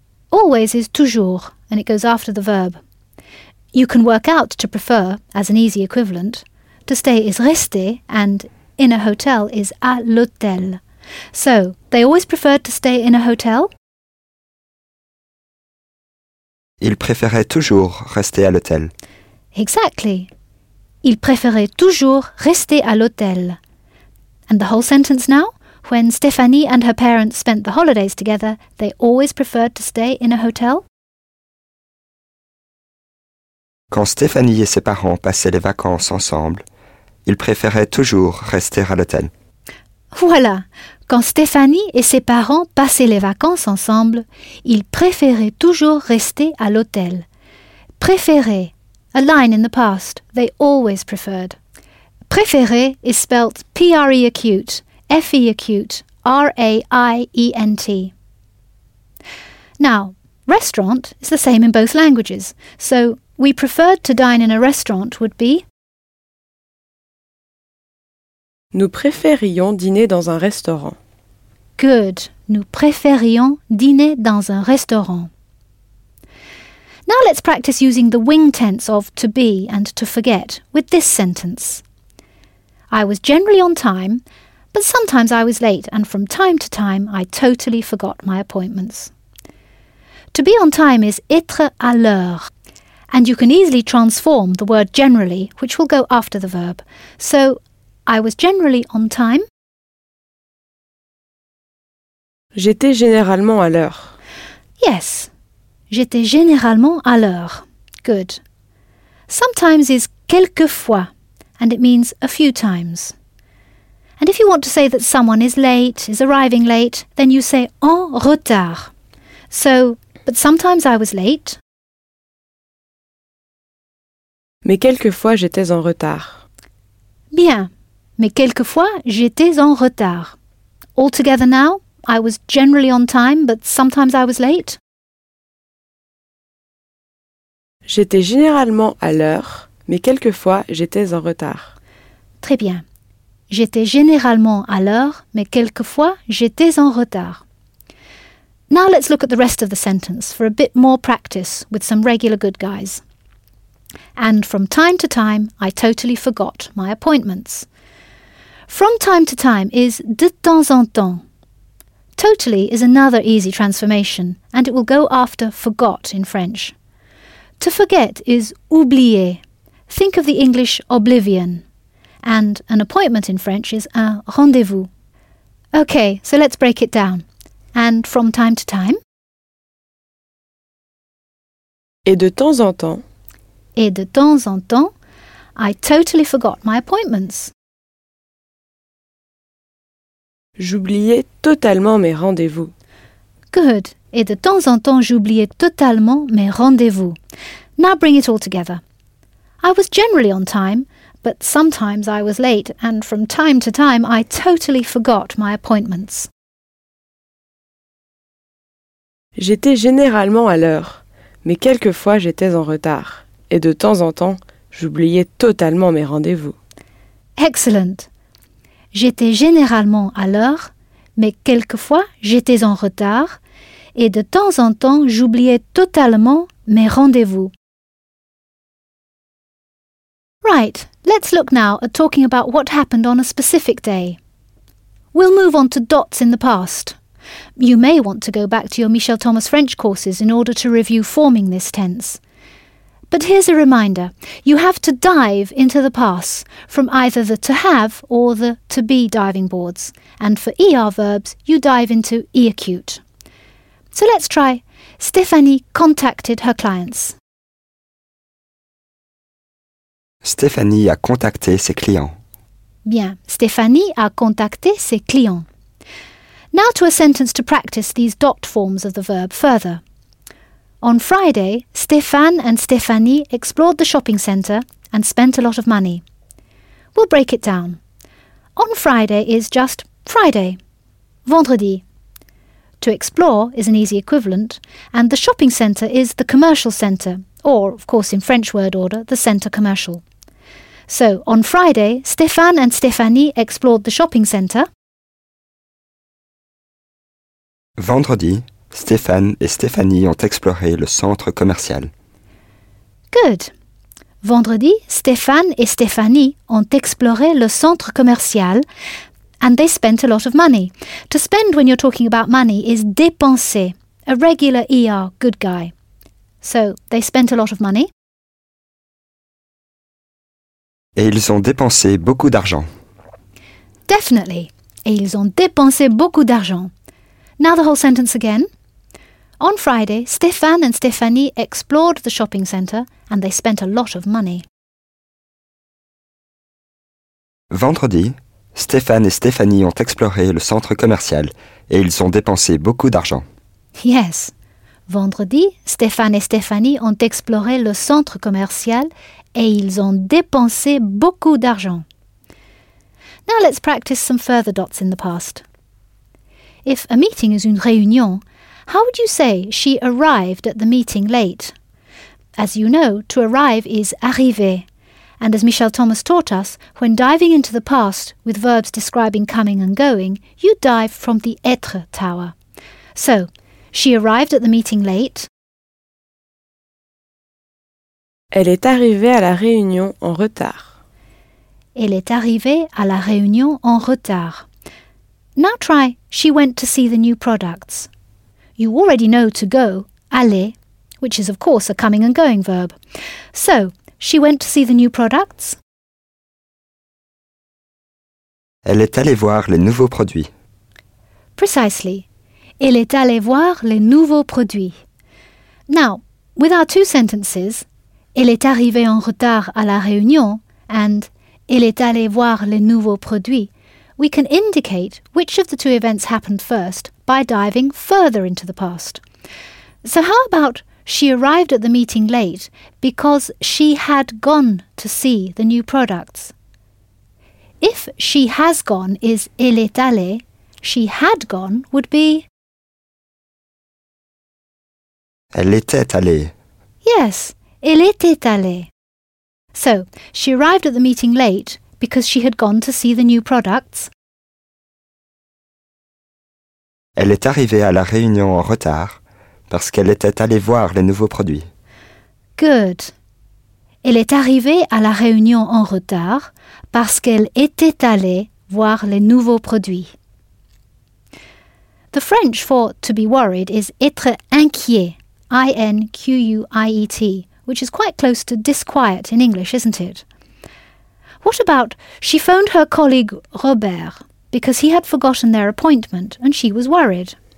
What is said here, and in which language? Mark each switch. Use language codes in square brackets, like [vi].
[en] Always is toujours, and it goes after the verb. You can work out to prefer, as an easy equivalent. To stay is rester, and in a hotel is [fr] à l'hôtel. [en] So, they always preferred to stay in a hotel? [fr] Ils préféraient toujours rester à l'hôtel. [en] Exactly. [fr] Il préférait toujours rester à l'hôtel. [en] And the whole sentence now? When Stéphanie and her parents spent the holidays together, they always preferred to stay in a hotel? [fr] Quand Stéphanie et ses parents passaient les vacances ensemble, ils préféraient toujours rester à l'hôtel. Voilà! Quand Stéphanie et ses parents passaient les vacances ensemble, ils préféraient toujours rester à l'hôtel. Préférer. [en] A line in the past, they always preferred. Préférer is spelt P-R-E-acute, F-E-acute, R-A-I-E-N-T. Now, restaurant is the same in both languages. So, we preferred to dine in a restaurant would be... [fr] Nous préférions dîner dans un restaurant. [en] Good. [fr] Nous préférions dîner dans un restaurant. [en] Now let's practice using the wing tense of to be and to forget with this sentence. I was generally on time, but sometimes I was late and from time to time I totally forgot my appointments. To be on time is [fr] être à l'heure, [en] and you can easily transform the word generally, which will go after the verb. So, I was generally on time. [fr] J'étais généralement à l'heure. [en] Yes. [fr] J'étais généralement à l'heure. [en] Good. Sometimes is quelquefois, and it means a few times. And if you want to say that someone is late, is arriving late, then you say [fr] en retard. [en] So, but sometimes I was late. [fr] Mais quelquefois j'étais en retard. Bien. Mais quelquefois j'étais en retard. [en] All together now, I was generally on time, but sometimes I was late. [fr] J'étais généralement à l'heure, mais quelquefois j'étais en retard. Très bien. J'étais généralement à l'heure, mais quelquefois j'étais en retard. [en] Now let's look at the rest of the sentence for a bit more practice with some regular good guys. And from time to time, I totally forgot my appointments. From time to time is [fr] de temps en temps. [en] Totally is another easy transformation, and it will go after forgot in French. To forget is oublier. Think of the English oblivion. And an appointment in French is [fr] un rendez-vous. [en] Okay, so let's break it down. And from time to time. [fr] Et de temps en temps. Et de temps en temps, [en] I totally forgot my appointments. [fr] J'oubliais totalement mes rendez-vous. [en] Good. [fr] Et de temps en temps, j'oubliais totalement mes rendez-vous. [en] Now bring it all together. I was generally on time, but sometimes I was late, and from time to time, I totally forgot my appointments. [fr] J'étais généralement à l'heure, mais quelquefois j'étais en retard. Et de temps en temps, j'oubliais totalement mes rendez-vous. [en] Excellent. [fr] J'étais généralement à l'heure, mais quelquefois j'étais en retard. Et de temps en temps, j'oubliais totalement mes rendez-vous. [en] Right, let's look now at talking about what happened on a specific day. We'll move on to dots in the past. You may want to go back to your Michel Thomas French courses in order to review forming this tense. But here's a reminder. You have to dive into the past from either the to have or the to be diving boards. And for ER verbs, you dive into E-acute. So let's try. Stéphanie contacted her clients. [fr] Stéphanie a contacté ses clients. Bien. Stéphanie a contacté ses clients. [en] Now to a sentence to practice these dot forms of the verb further. On Friday, Stéphane and Stéphanie explored the shopping centre and spent a lot of money. We'll break it down. On Friday is just Friday, vendredi. To explore is an easy equivalent, and the shopping centre is the commercial centre, or, of course, in French word order, the [fr] centre commercial. [en] So, on Friday, Stéphane and Stéphanie explored the shopping centre. [fr] Vendredi, Stéphane et Stéphanie ont exploré le centre commercial. [en] Good. [fr] Vendredi, Stéphane et Stéphanie ont exploré le centre commercial [en] and they spent a lot of money. To spend when you're talking about money is dépenser, a regular ER good guy. So, they spent a lot of money. [fr] Et ils ont dépensé beaucoup d'argent. [en] Definitely. [fr] Et ils ont dépensé beaucoup d'argent. [en] Now the whole sentence again. On Friday, Stéphane and Stéphanie explored the shopping centre and they spent a lot of money. [fr] Vendredi, Stéphane et Stéphanie ont exploré le centre commercial et ils ont dépensé beaucoup d'argent. [en] Yes. [fr] Vendredi, Stéphane et Stéphanie ont exploré le centre commercial et ils ont dépensé beaucoup d'argent. [en] Now let's practice some further dots in the past. If a meeting is [fr] une réunion, [en] how would you say she arrived at the meeting late? As you know, to arrive is arriver. And as Michel Thomas taught us, when diving into the past with verbs describing coming and going, you dive from the être tower. So, she arrived at the meeting late. [fr] Elle est arrivée à la réunion en retard. Elle est arrivée à la réunion en retard. [en] Now try, she went to see the new products. You already know to go, aller, which is of course a coming and going verb. So, she went to see the new products. [fr] Elle est allée voir les nouveaux produits. [en] Precisely. [fr] Elle est allée voir les nouveaux produits. [en] Now, with our two sentences, [fr] elle est arrivée en retard à la réunion [en] and [fr] elle est allée voir les nouveaux produits, [en] we can indicate which of the two events happened first by diving further into the past. So how about she arrived at the meeting late because she had gone to see the new products? If she has gone is [fr] elle est allée, [en] she had gone would be... [fr] Elle était allée. Yes, elle était allée. [en] So, she arrived at the meeting late because she had gone to see the new products. [fr] Elle est arrivée à la réunion en retard parce qu'elle était allée voir les nouveaux produits. [en] Good. [fr] Elle est arrivée à la réunion en retard parce qu'elle était allée voir les nouveaux produits. [en] The French for to be worried is [fr] être inquiet, [en] I-N-Q-U-I-E-T, which is quite close to disquiet in English, isn't it? What about she phoned her colleague Robert because he had forgotten their appointment and she was worried?